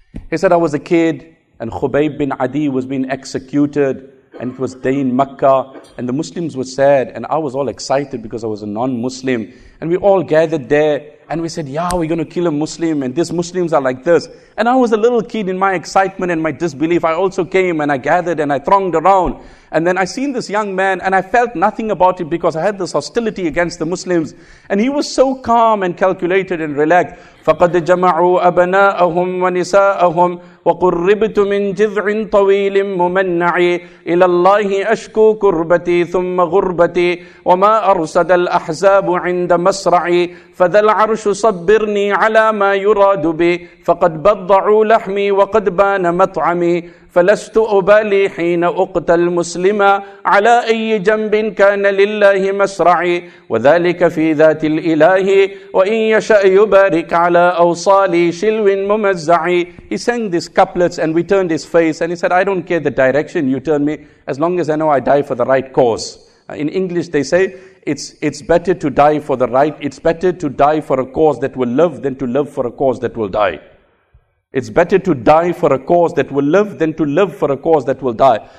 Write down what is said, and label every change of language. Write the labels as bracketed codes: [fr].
[en] He said, I was a kid, and Khubayb bin Adi was being executed, and it was day in Makkah, and the Muslims were sad, and I was all excited because I was a non-Muslim, and we all gathered there, and we said, yeah, we're going to kill a Muslim, and these Muslims are like this. And I was a little kid in my excitement and my disbelief. I also came, and I gathered, and I thronged around, and then I seen this young man, and I felt nothing about it because I had this hostility against the Muslims, and he was so calm and calculated and relaxed. [ar] فَقَدْ جَمَعُوا أَبَنَاءَهُمْ وَنِسَاءَهُمْ وَقُرِّبْتُ مِنْ جِذْعٍ طَوِيلٍ مُمَنَّعِي إِلَى اللَّهِ أَشْكُو كُرْبَتِي ثُمَّ غُرْبَتِي وَمَا أَرْسَدَ الْأَحْزَابُ عِنْدَ مَسْرَعِي فَذَا الْعَرْشُ صَبِّرْنِي عَلَى مَا يُرَادُ بِي فَقَدْ بَضَّعُوا لَحْمِي وَقَدْ بَانَ مَطْعَمِي فلست أبالي حين أقتل مسلما على أي جنب كان لله مسرعي وذلك في ذات الإله وإن يشأ يبارك على أوصالي شلو ممزعي. [en] He sang these couplets and we turned his face and he said, I don't care the direction you turn me as long as I know I die for the right cause. In English they say, it's better to die for the right, it's better to die for a cause that will live than to live for a cause that will die. It's better to die for a cause that will live than to live for a cause that will die.